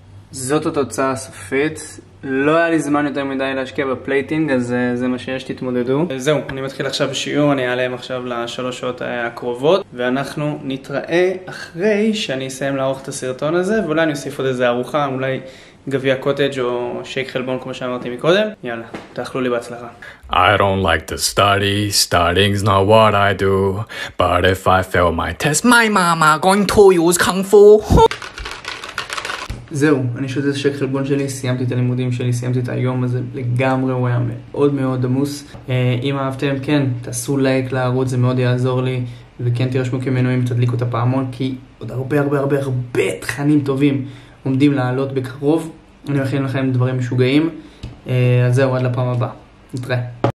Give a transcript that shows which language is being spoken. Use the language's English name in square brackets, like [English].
[Hebrew] זאת התוצאה הסופית. לא היה לי זמן יותר מדי להשקיע בפלייטינג, אז זה מה שיש, תתמודדו. זהו, אני מתחיל עכשיו שיעור, אני אעלה עכשיו ל3 שעות הקרובות, ואנחנו נתראה אחרי שאני אסיים לערוך את הסרטון הזה, ואולי אני אוסיף עוד איזה ארוחה, אולי גביע קוטג' או שייק חלבון כמו שאמרתי מקודם. יאללה, תאכלו לי בהצלחה. [English] I don't like to study, studying's not what I do, but if I fail my test, my mama going to use kung fu. [Hebrew] זהו, אני שותה את השייק חלבון שלי, סיימתי את הלימודים שלי, סיימתי את היום הזה לגמרי, הוא היה מאוד מאוד עמוס. אם אהבתם, כן, תעשו לייק לערוץ, זה מאוד יעזור לי, וכן תירשמו כמנויים ותדליקו את הפעמון, כי עוד הרבה הרבה הרבה הרבה תכנים טובים עומדים לעלות בקרוב. אני מכין לכם דברים משוגעים, אז זהו, עד לפעם הבאה, נתראה.